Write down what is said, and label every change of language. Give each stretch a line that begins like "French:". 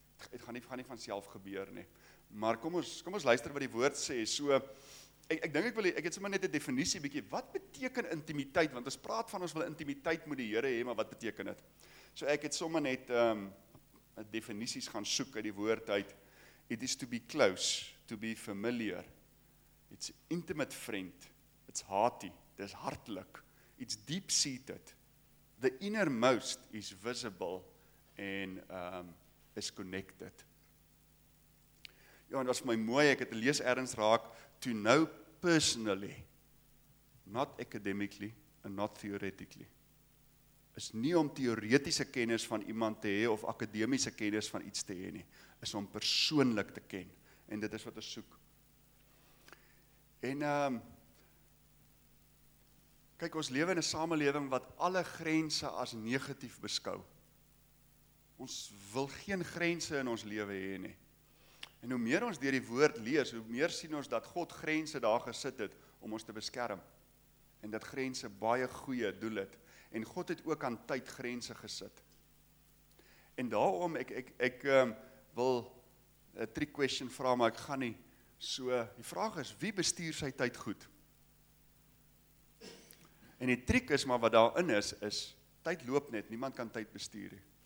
Afrikaans: Het gaan nie van self gebeur nie. Maar kom ons luister wat die woord sê. So, ek het sommer net 'n definisie bietjie, wat beteken intimiteit, want ons praat van ons wil intimiteit met die Here hê, maar wat beteken dit? So ek het sommer net definisies gaan soek uit die woord uit.
English: It is to be close, to be familiar, it's intimate friend, it's hearty,
Afrikaans: dis hartlik,
English: it's deep-seated, the innermost is visible, en is connected.
Afrikaans: Ja, en dit was vir my mooi, ek het lees ergens raak,
English: to know personally, not academically, and not theoretically,
Afrikaans: is nie om teoretiese kennis van iemand te hê, of akademiese kennis van iets te hê nie, is om persoonlik te ken, en dit is wat ons soek. En, kyk, ons lewe in 'n samelewing wat alle grense as negatief beskou. Ons wil geen grense in ons lewe hê nie. En hoe meer ons deur die woord lees, hoe meer sien ons dat God grense daar gesit het om ons te beskerm. En dat grense baie goeie doel het. En God het ook aan tyd grense gesit. En daarom, ek wil 'n trick question vra, maar ek gaan nie. So, die vraag is, wie bestuur sy tyd goed? En die triek is, maar wat daarin is, tyd loop net, niemand kan tyd bestuur nie.